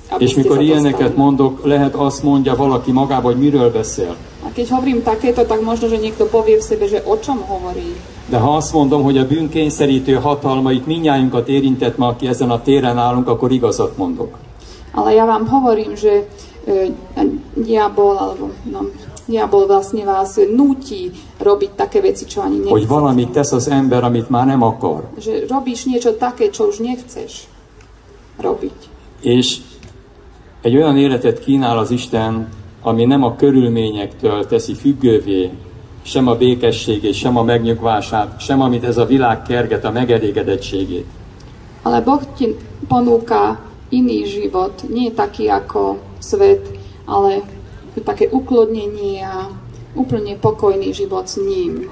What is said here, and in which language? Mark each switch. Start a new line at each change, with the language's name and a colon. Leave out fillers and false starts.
Hungarian: És mikor ilyeneket mondok, lehet azt mondja valaki magába, hogy miről beszél.
Slovak: A keď hovorím takéto, tak možno, že niekto povie v sebe, že o čom hovorí.
Hungarian: De ha azt mondom, hogy a bűnkényszerítő hatalma itt mindnyájunkat érintett ma, aki ezen a téren állunk, akkor igazat mondok.
Slovak: Ale ja vám hovorím, že diabol vlastne vás núti robiť také veci, čo ani nechcete.
Hungarian: Hogy valamit tesz az ember, amit már nem akar.
Slovak: Že robíš niečo také, čo už nechceš. robiť.
Hungarian: És egy olyan életet kínál az Isten, ami nem a körülményektől teszi függővé, sem a békességét, sem a megnyugvását, sem amit ez a világ kerget, a megelégedettségét.
Slovak: Ale Boh ti ponúka iný život, nie taký ako svet, ale také uklodnenie a úplne pokojný život s ním.